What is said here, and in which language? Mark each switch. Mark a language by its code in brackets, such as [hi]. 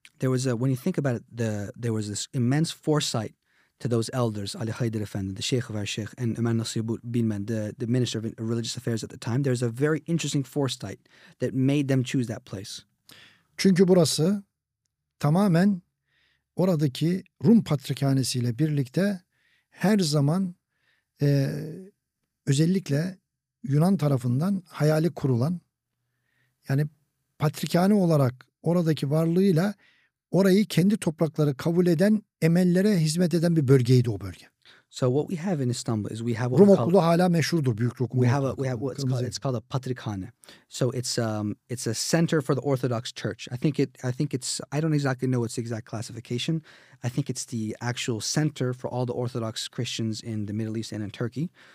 [en] There was a, when you think about it, there was this immense foresight to those elders, Ali Haydar Efendi, the Sheikh of our Sheikh, and Ömer Nasuh Bilmen, the Minister of Religious Affairs at the time, there's a very interesting foresight that made them choose that place. [tr] Çünkü burası tamamen oradaki Rum Patrikhanesi ile birlikte her zaman özellikle Yunan tarafından hayali kurulan, yani Patrikhane olarak oradaki varlığıyla orayı kendi toprakları kabul eden, emellere hizmet eden bir bölgeydi o bölge. [en] So what we have in Istanbul is we have [tr] Rum Okulu hala meşhurdur, büyük Rum Okulu. [en] It's called a Patrikhane. So it's a center for the Orthodox Church. I don't exactly know its exact classification. I think it's the actual center for all the Orthodox Christians in the Middle East and in Turkey.